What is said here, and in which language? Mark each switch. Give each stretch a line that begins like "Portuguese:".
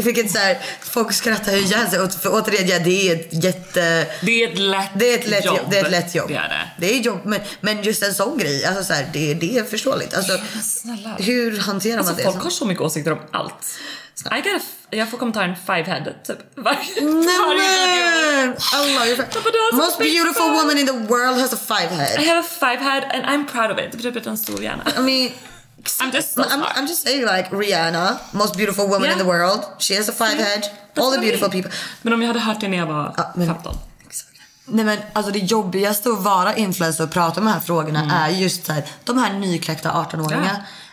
Swedish: Vilket så här, folk skrattar ju ihjäl sig. Återigen, ja, det är ett jätte... Det är ett lätt jobb. Det är jobb, men just en sån grej, alltså så här, det är förståeligt. Alltså, hur hanterar man det? Folk har så mycket åsikter om allt. Jag får kommentaren five-headed typ.
English: Most beautiful woman in the world has a five-head. I have a five-head and I'm proud of it.
Swedish: Det betyder att jag är en stor hjärna.
English: I mean, I'm just saying, like, Rihanna, most beautiful woman in the world, she has a five-head. All the beautiful people.
Swedish: Men om jag hade hört det när jag var 15. Nej, men alltså det jobbigaste att vara influencer och prata om de här frågorna är just så här, de här nykläckta 18-åringar.